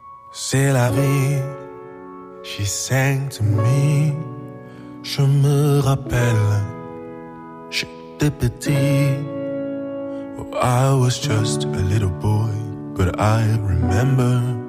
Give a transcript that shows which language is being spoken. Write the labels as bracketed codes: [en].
[fr] C'est la vie, [en] she sang to me. [fr] Je me rappelle, j'étais petit. [en] Oh, I was just a little boy, but I remember.